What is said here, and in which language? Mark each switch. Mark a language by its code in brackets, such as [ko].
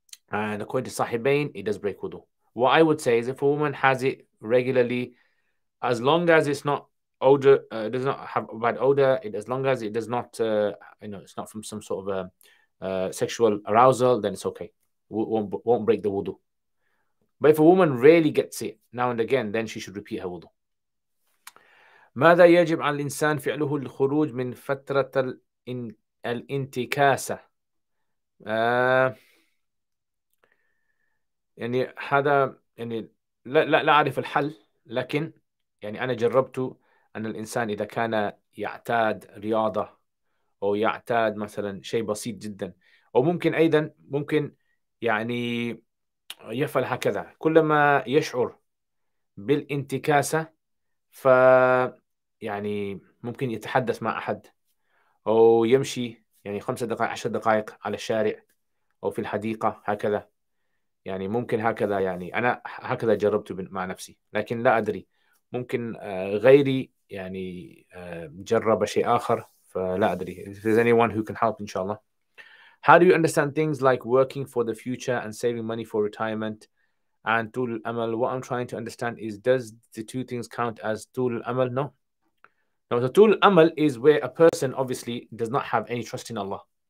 [en] And according to Sahibain, it does break wudu. What I would say is if a woman has it regularly, as long as it's not odor, does not have a bad odor, it, as long as it does not, you know, it's not from some sort of sexual arousal, then it's okay. Won't break the wudu. But if a woman rarely gets it now and again, then she should repeat her wudu. [ar] ماذا يجب على الإنسان فعله الخروج من فترة الانتكاسة؟ يعني هذا يعني لا أعرف الحل، لكن يعني أنا جربت أن الإنسان إذا كان يعتاد رياضة أو يعتاد مثلا شيء بسيط جدا أو ممكن أيضا ممكن يعني يفعل هكذا كلما يشعر بالانتكاسة ف يعني ممكن يتحدث مع أحد أو يمشي يعني 5 دقائق 10 دقائق على الشارع أو في الحديقة هكذا يعني ممكن هكذا يعني أنا هكذا جربت مع نفسي لكن لا أدري ممكن غيري يعني جرب شيء آخر فلا أدري. [en] If there's anyone who can help, inshallah. How do you understand things like working for the future and saving money for retirement and tul amal? What I'm trying to understand is, does the two things count as tul amal? No. Now, so tul amal is where a person obviously does not have any trust in Allah.